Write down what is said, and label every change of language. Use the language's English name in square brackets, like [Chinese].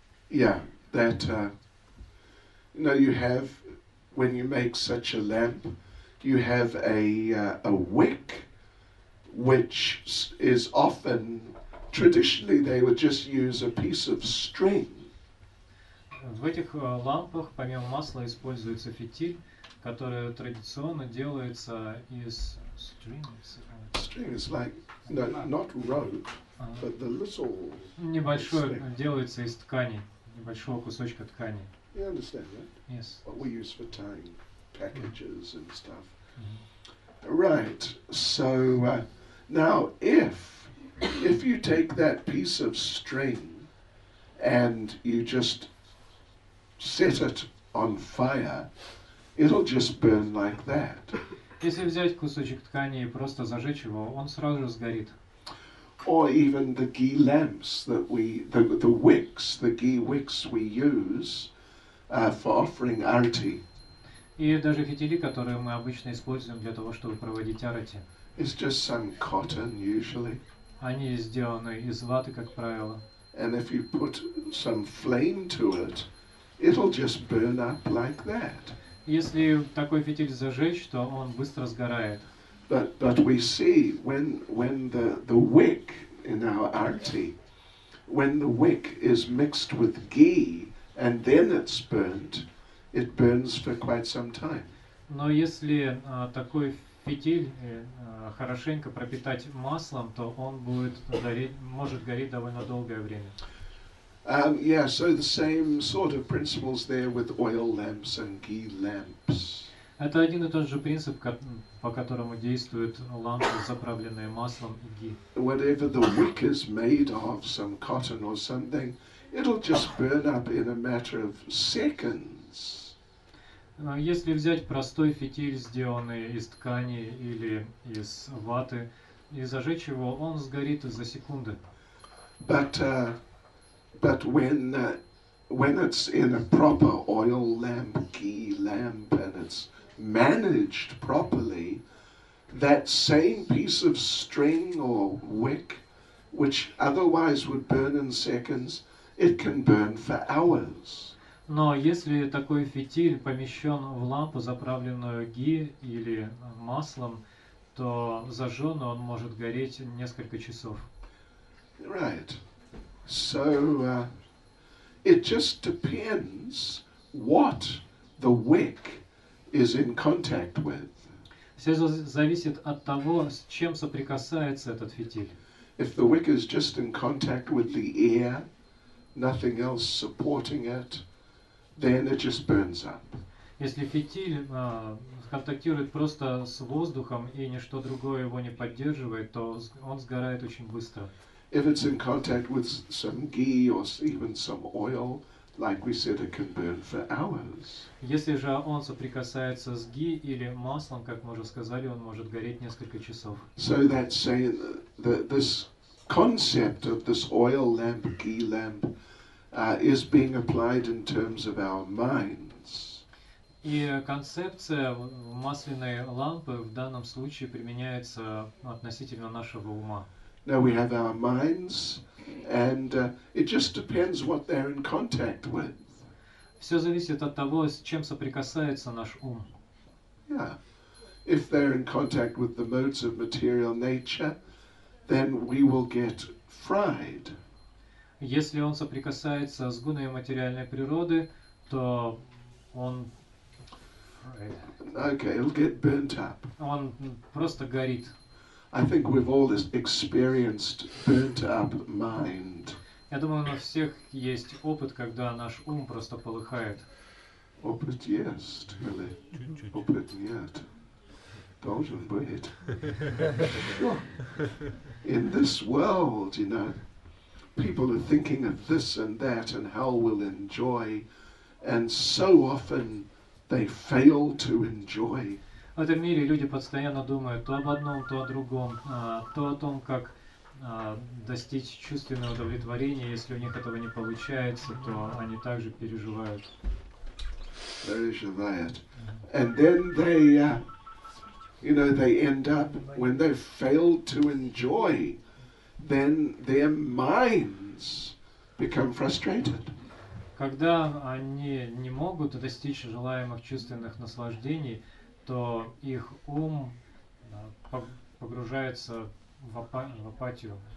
[English] Yeah, that now you have when you make such a lamp, you have a wick, which is often traditionally they would just use a piece of string. [Russian] В этих лампах помимо масла используется фитиль, который традиционно делается из strings. [English] String is like not rope, but the little. [Russian] Небольшое делается из ткани, небольшого кусочка ткани. [English] You understand that? Yes. What we use for tying packages and stuff. Mm-hmm. Right. So now, if you take that piece of string and you just set it on fire, it'll just burn like that. [Russian] Если взять кусочек ткани и просто зажечь его, он сразу же сгорит. [English] Or even the ghee lamps that we the wicks, the ghee wicks we use. For offering arati. [Russian] И даже фитили, которые мы обычно используем для того, чтобы проводить арати. [English] It's just some cotton usually. [Russian] Они сделаны из ваты, как правило. [English] And if you put some flame to it, it'll just burn up like that. [Russian] Если такой фитиль зажечь, то он быстро сгорает. [English] But we see when the wick in our arati, when the wick is mixed with ghee. And then it's burnt. It burns for quite some time. [Russian] Но если такой фитиль хорошенько пропитать маслом, то он будет гореть, может гореть довольно долгое время. [English] Yeah. So the same sort of principles there with oil lamps and ghee lamps. [Russian] Это один и тот же принцип, по которому действуют лампы, заправленные маслом и ghee. [English] Whatever the wick is made of, some cotton or something. It'll just burn up in a matter of seconds. [Russian] Если взять простой фитиль, сделанный из ткани или из ваты, и зажечь его, он сгорит за секунды. [English] But when it's in a proper oil lamp, ghee lamp, and it's managed properly, that same piece of string or wick, which otherwise would burn in seconds. It can burn for hours. [Russian] Но если такой фитиль помещен в лампу, заправленную ги или маслом, то зажженный он может гореть несколько часов. [English] Right. So it just depends what the wick is in contact with. [Russian] Все зависит от того, с чем соприкасается этот фитиль. [English] If the wick is just in contact with the air. Nothing else supporting it, then it just burns up. [Russian] Если фитиль контактирует просто с воздухом и ничто другое его не поддерживает, то он сгорает очень быстро. [English] If it's in contact with some ghee or even some oil, like we said, it can burn for hours. [Russian] Если же он соприкасается с ги или маслом, как мы уже сказали, он может гореть несколько часов. [English] So that's saying that this. Concept of this oil lamp, ghee lamp, is being applied in terms of our minds. [Russian] И концепция масляной лампы в данном случае применяется относительно нашего ума. [English] Now we have our minds, and it just depends what they're in contact with. [Russian] Все зависит от того, с чем соприкасается наш ум. [English] Yeah, if they're in contact with the modes of material nature. Then we will get fried. [Russian] Если он соприкасается с гунами материальной природы, то он [English] Okay, it'll get burnt up. [Russian] Он просто горит. [English] I think we've all experienced burnt up mind. [Russian] Я думаю, у нас всех есть опыт, когда наш ум просто полыхает. Opět jest, hele, opět nějak. Должен быть. [English] Sure. In this world, you know, people are thinking of this and that and how we'll enjoy, and so often they fail to enjoy. [Russian] В этом мире люди постоянно думают то об одном, то о другом, то о том, как достичь чувственного удовлетворения. Если у них этого не получается, то они также переживают. Переживают. [English] And then they, you know, they end up, when they fail to enjoy, then their minds become frustrated. [Russian] Когда они не могут достичь желаемых чувственных наслаждений, то их ум погружается в апатию.